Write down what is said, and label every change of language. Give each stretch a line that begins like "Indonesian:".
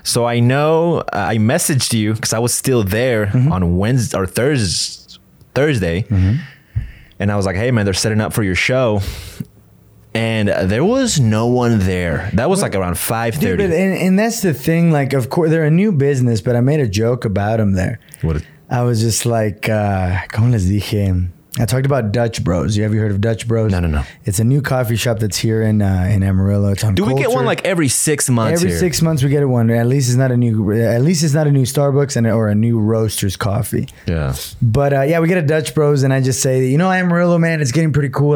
English: So I know I messaged you because I was still there on Wednesday or Thursday. Mm-hmm. And I was like, hey, man, they're setting up for your show. And there was no one there. That was like around 5:30. And that's the thing. Like, of course, they're a new business, but I made a joke about them there. I was just like,
Spanish: ¿cómo les dije?
English: I talked about Dutch Bros. Have you heard of Dutch Bros? No. It's a new coffee shop that's here in Amarillo. It's on Culture. Do we get one like every 6 months? Every 6 months we get one. At least it's not a new Starbucks or a new Roasters coffee. Yeah. But we get a Dutch Bros, and I just say, you know, Amarillo, man, it's getting pretty cool.